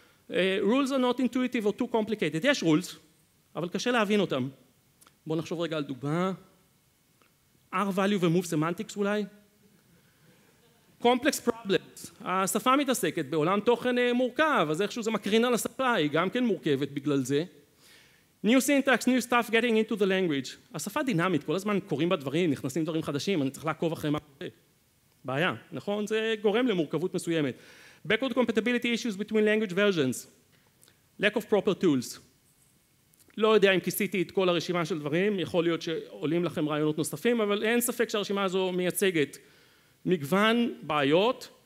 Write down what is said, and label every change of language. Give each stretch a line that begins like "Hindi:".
English: Rules are not intuitive or too complicated.
Hebrew: יש rules, אבל קשה להבין אותם. בואו נחשוב רגע על דוגמה. R value ו-move semantics אולי.
English: Complex problems.
Hebrew: השפה מתעסקת בעולם תוכן מורכב, אז איכשהו זה מקרין על השפה, היא גם כן מורכבת בגלל זה.
English: New syntax, new stuff getting into the language.
Hebrew: השפה דינמית, כל הזמן קוראים בדברים, נכנסים דברים חדשים, אני צריך לעקוב אחרי מה קורה. בעיה, נכון? זה גורם למורכבות מסוימת.
English: Backward compatibility issues between language versions. Lack of proper tools.
Hebrew: לא יודע אם כיסיתי את כל הרשימה של דברים, יכול להיות שעולים לכם רעיונות נוספים, אבל אין ספק שהרשימה הזו מייצגת מגוון בעיות.